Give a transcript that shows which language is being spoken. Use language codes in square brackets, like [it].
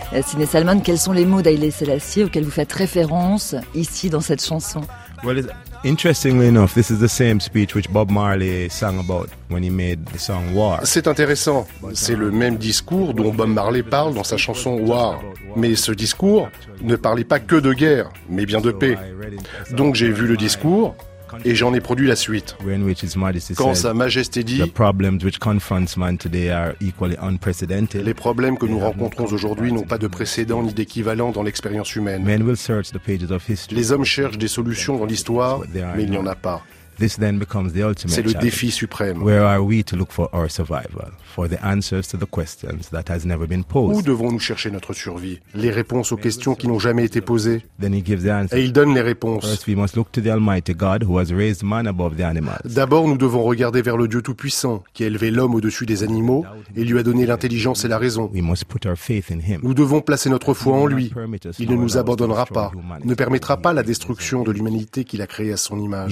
[fr] Sidney Salman, quels sont les mots d'Haïlé Selassie auxquels vous faites référence ici dans cette chanson? [en] Well, interestingly enough, this is the same speech which Bob Marley sang about when he made the song War. [fr] C'est intéressant. C'est le même discours dont Bob Marley parle dans sa chanson War. Mais ce discours ne parlait pas que de guerre, mais bien de paix. Donc j'ai vu le discours et j'en ai produit la suite. Quand Sa Majesté dit Les problèmes que nous rencontrons aujourd'hui n'ont pas de précédent ni d'équivalent dans l'expérience humaine. Les hommes cherchent des solutions dans l'histoire, mais il n'y en a pas. » C'est le défi suprême. [en] Where are we to look for our survival, for the answers to the questions that has never been posed? [fr] Où devons-nous chercher notre survie, les réponses aux questions qui n'ont jamais été posées? Et il donne les réponses. [en] First, we must look to the Almighty God who has raised man above the animals. [fr] D'abord, nous devons regarder vers le Dieu tout-puissant qui a élevé l'homme au-dessus des animaux et lui a donné l'intelligence et la raison. [en] We must put our faith in him. [fr] Nous devons placer notre foi en lui. Il ne nous abandonnera pas, ne permettra pas la destruction de l'humanité qu'il a créée à son image.